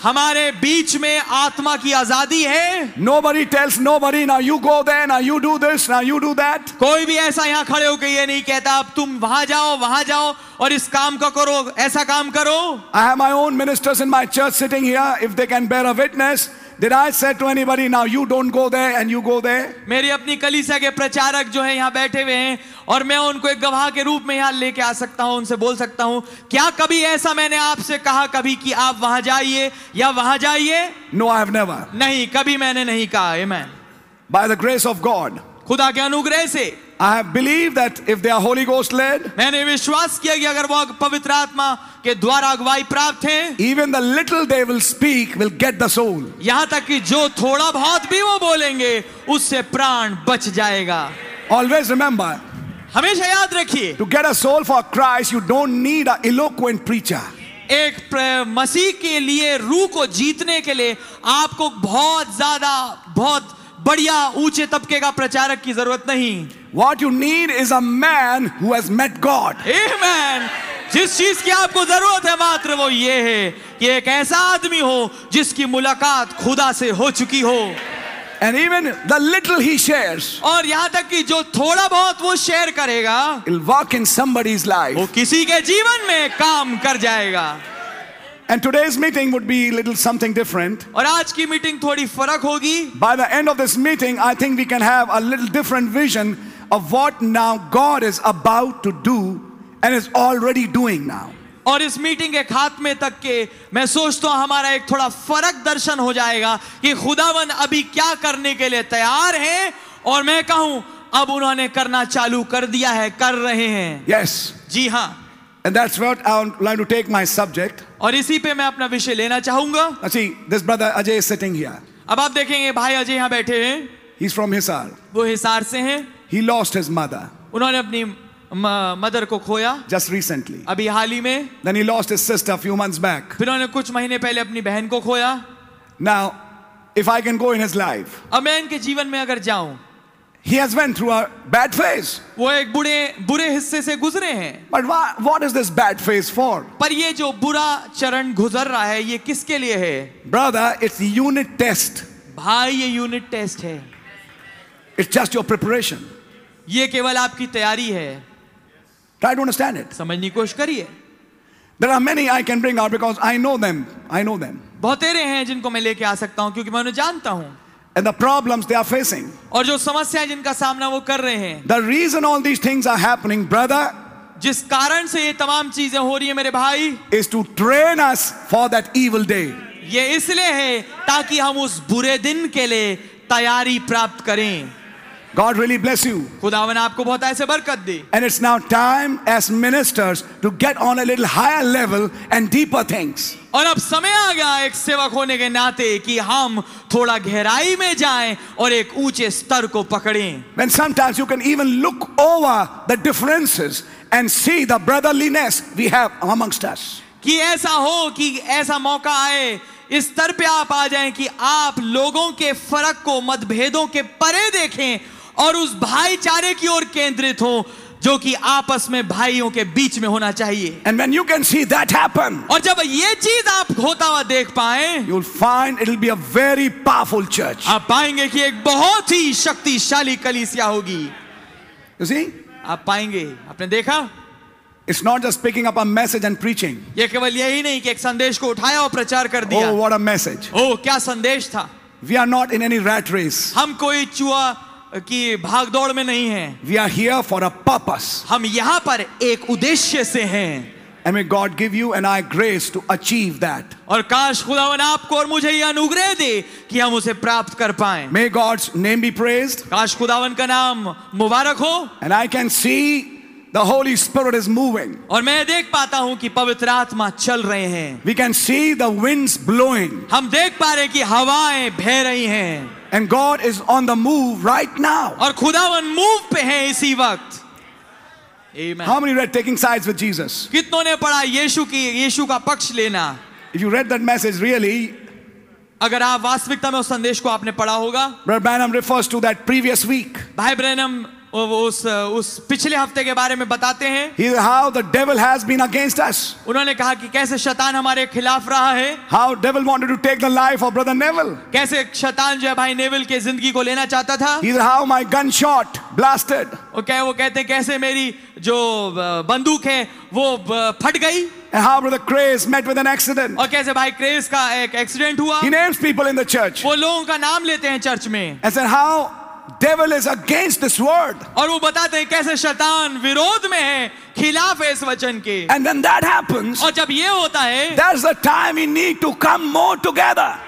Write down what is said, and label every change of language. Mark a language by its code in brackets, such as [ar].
[hi] हमारे बीच में आत्मा की आजादी है. [en] Nobody tells nobody, now you go there, now you do this, now you do that. [hi] कोई भी ऐसा यहाँ खड़े होकर ये नहीं कहता अब तुम वहां जाओ और इस काम का करो ऐसा काम करो. [en] I have my own ministers in my church sitting here. If they can bear a witness, did I say to anybody, now you don't go there and you go there? [hi] मेरी अपनी कलीसिया के प्रचारक जो हैं यहाँ बैठे हुए हैं और मैं उनको एक गवाह के रूप में यहाँ लेके आ सकता हूँ, उनसे बोल सकता हूँ, क्या कभी ऐसा मैंने आपसे कहा कभी कि आप वहां जाइए या वहां जाइए? [en] No, I have never. [hi] नहीं, कभी मैंने नहीं कहा. Amen. [en] By the grace of God. [hi] खुदा के अनुग्रह से. [en] I have believed that if they are Holy Ghost led, [hi] मैंने विश्वास किया कि अगर वो पवित्र आत्मा के द्वारा अगुवाई प्राप्त हैं, [en] even the little they will speak will get the soul. [hi] यहाँ तक कि जो थोड़ा बहुत भी वो बोलेंगे, उससे प्राण बच जाएगा. [en] Always remember. [hi] हमेशा याद रखिए. [en] To get a soul for Christ, you don't need an eloquent preacher. [hi] एक मसीह के लिए रूह को जीतने के लिए आपको बहुत ज़्यादा, बहुत बढ़िया ऊंचे तबके का प्रचारक की जरूरत नहीं. [en] What you need is a man who has met God. Amen. [hi] जिस चीज की आपको जरूरत है मात्र वो ये है कि एक ऐसा आदमी हो जिसकी मुलाकात खुदा से हो चुकी हो. [en] And even the little he shares. [hi] और यहाँ तक कि जो थोड़ा बहुत वो शेयर करेगा, [en] it'll walk in somebody's life. [hi] वो किसी के जीवन में काम कर जाएगा. [en] And today's meeting would be a little something different. [hi] और आज की मीटिंग थोड़ी फर्क होगी. [en] By the end of this meeting, I think we can have a little different vision of what now God is about to do and is already doing now. [hi] और इस meeting के खात्मे तक के मैं सोचता हूँ हमारा एक थोड़ा फर्क दर्शन हो जाएगा कि खुदावन अभी क्या करने के लिए तैयार हैं और मैं कहूँ अब उन्होंने करना चालू कर दिया है, कर रहे हैं. [en] Yes. [hi] जी हाँ. [en] And that's what I would like to take my subject. [hi] और इसी पे मैं अपना विषय लेना चाहूँगा. अच्छी, [en] this brother Ajay is sitting here. [hi] अब आप देखेंगे भाई अजय यहाँ बैठे हैं. [en] He's from Hisar. [hi] वो हिसार से हैं. [en] He lost his mother. [hi] उन्होंने अपनी मदर को खोया. [en] Just recently. [hi] अभी हाल ही में. [en] Then he lost his sister a few months back. [hi] फिर उन्होंने कुछ महीने पहले अपनी बहन को खोया. [en] Now, if I can go in his life. [hi] अब मैं इनके जीवन में अगर जाऊँ. [en] He has went through a bad phase. [hi] वो एक बुरे बुरे हिस्से से गुजरे हैं. [en] But what is this bad phase for? [hi] पर ये जो बुरा चरण गुजर रहा है, ये किसके लिए है? [en] Brother, it's unit test. [hi] भाई, ये unit test है. [en] It's just your preparation. [hi] ये केवल आपकी तैयारी है. [en] Try to understand it. [hi] समझने की कोशिश करिए. [en] There are many I can bring out because I know them. I know them. [hi] बहुत तेरे हैं जिनको मैं लेके आ सकता हूँ क्योंकि मैं उन्हें जानता हूँ. [en] And the problems they are facing. [hi] और जो समस्याएं जिनका सामना वो कर रहे हैं. [en] The reason all these things are happening, brother. [hi] जिस कारण से ये तमाम चीजें हो रही हैं मेरे भाई. [en] Is to train us for that evil day. [hi] ये इसलिए है ताकि हम उस बुरे दिन के लिए तैयारी प्राप्त करें. [en] God really bless you. [hi] खुदावन आपको बहुत ऐसे बरकत दे. [en] And it's now time as ministers to get on a little higher level and deeper things. [hi] और अब समय आ गया एक सेवक होने के नाते कि हम थोड़ा गहराई में जाएं और एक ऊंचे स्तर को पकड़ें. [en] And sometimes you can even look over the differences and see the brotherliness we have amongst us. [hi] कि ऐसा हो कि ऐसा मौका आए इस स्तर पे आप आ जाएं कि आप लोगों के फर्क को, मतभेदों के परे देखें और उस भाईचारे की ओर केंद्रित हो जो कि आपस में भाइयों के बीच में होना चाहिए. [en] And when you can see that happen, [hi] और जब ये चीज आप होता हुआ देख पाएं, [en] you'll find it'll be a very powerful church. [hi] आप पाएंगे कि एक बहुत ही शक्तिशाली कलीसिया होगी. [en] You see? [hi] आप पाएंगे. आपने देखा? [en] It's not just picking up a message and preaching. [hi] ये केवल यही नहीं कि एक संदेश को उठाया और प्रचार कर दिया. [en] Oh, what a message! [hi] Oh, क्या संदेश था? [en] We are not in any rat race. [hi] हम कोई चूहा की भागदौड़ में नहीं हैं. [en] We are here for a purpose. [hi] हम यहाँ पर एक उद्देश्य से हैं. [en] And may God give you and I grace to achieve that. [hi] और काश खुदावन आपको और मुझे यह अनुग्रह दे कि हम उसे प्राप्त कर पाएं. [en] May God's name be praised. [hi] काश खुदावन का नाम मुबारक हो. [en] And I can see. The Holy Spirit is moving. [hi] और मैं देख पाता हूँ कि पवित्र आत्मा चल रहे हैं. [en] We can see the winds blowing. [hi] हम देख पा रहे हैं कि हवाएं बह रही हैं. [en] And God is on the move right now. [hi] और खुदावन मूव पे है इसी वक्त. [en] Amen. How many read taking sides with Jesus? [hi] कितनों ने पढ़ा यीशु की यीशु का पक्ष लेना? [en] If you read that message really, [hi] अगर आप वास्तविकता में उस संदेश को आपने पढ़ा होगा, [en] Brother Branham refers to that previous week. [hi] भाई ब्रैनम उस पिछले हफ्ते के बारे में बताते हैं. [en] He said how the devil has been against us. [hi] उन्होंने कहा कि कैसे शैतान हमारे खिलाफ रहा है. [en] How devil wanted to take the life of brother Neville. [hi] कैसे शैतान जो भाई नेविल के जिंदगी को लेना चाहता था. [en] He said how my gun shot blasted. [hi] Okay, वो कहते कैसे मेरी जो बंदूक है वो फट गई. [en] And how brother Craze met with an accident. [hi] और कैसे भाई क्रेज का एक एक्सीडेंट हुआ. [en] He names people in the church. [hi] वो लोगों का नाम लेते हैं चर्च में. [en] And said how devil is against this word. [hi] और वो बताते हैं कैसे शैतान विरोध में है, खिलाफ है इस वचन के. [en] And when that happens, [hi] और जब ये होता है, [en] that's the time we need to come more together.